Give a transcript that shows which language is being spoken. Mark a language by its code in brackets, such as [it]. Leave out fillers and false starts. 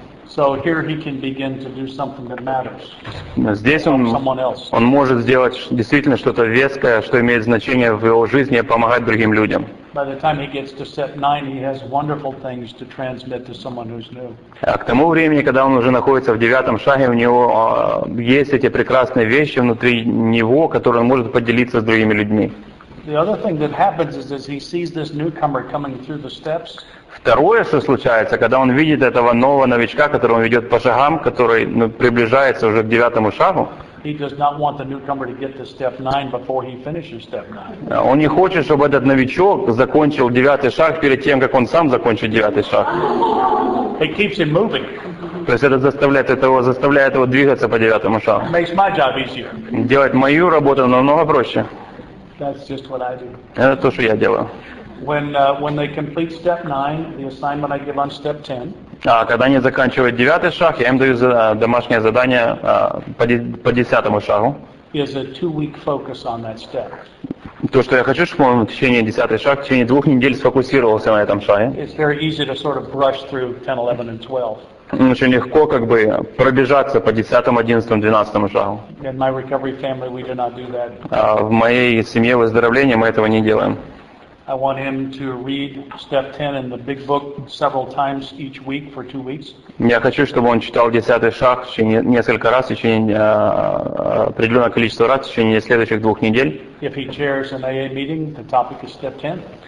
[en] So here he can begin to do something that matters. [ru] Здесь он может сделать действительно что-то веское, что имеет значение в его жизни, помогать другим людям. [en] By the time he gets to step 9, he has wonderful things to transmit to someone who's new. [ru] А к тому времени, когда он уже находится в девятом шаге, у него есть эти прекрасные вещи внутри него, которые он может поделиться с другими людьми. [en] The other thing that happens is as he sees this newcomer coming through the steps. [ru] Второе, что случается, когда он видит этого нового новичка, который он ведет по шагам, который ну, приближается уже к девятому шагу. Он не хочет, чтобы этот новичок закончил девятый шаг перед тем, как он сам закончит девятый шаг. [en] It keeps him moving. [ru] То есть это заставляет его двигаться по девятому шагу. [en] It makes my job easier. [ru] Делать мою работу намного проще. [en] That's just what I do. [ru] Это то, что я делаю. [en] When they complete step 9, the assignment I give on step 10. [ru] А когда они заканчивают девятый шаг, я им даю домашнее задание по десятому шагу. [en] Is a 2-week focus on that step. [ru] То, что я хочу, чтобы он в течение десятого шага, в течение двух недель сфокусировался на этом шаге. [en] It's very easy to sort of brush through 10, 11, and 12. [ru] Очень легко как бы пробежаться по 10, 11, 12 шагу. [en] In my recovery family, we do not do that. [ru] А в моей семье выздоровления мы этого не делаем. [en] I want him to read step 10 in the big book several times each week for 2 weeks. [ru] Я хочу, чтобы он читал 10 шаг еще несколько раз, еще определенное количество раз в течение следующих 2 недель. [en] If he chairs an AA meeting, the topic is step 10.